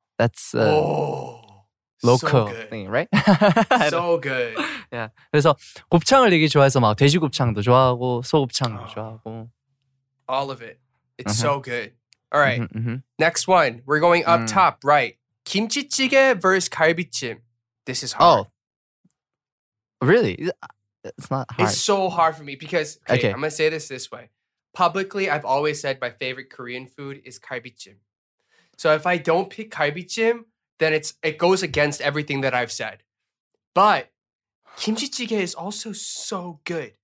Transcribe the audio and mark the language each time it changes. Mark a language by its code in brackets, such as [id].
[en] That's a local thing, right? So good. Yeah. [ko] 그래서 곱창을 되게 좋아해서 막 돼지 곱창도 좋아하고 소곱창도 좋아하고. [en] All of it. It's so good. All right. Next one. We're going up top, right? 김치찌개 versus 갈비찜. This is hard. Oh. Really? It's not hard. It's so hard for me because okay. I'm going to say this way. Publicly, I've always said my favorite Korean food is 갈비찜. So if I don't pick 갈비찜, then it goes against everything that I've said. But 김치찌개 is also so good.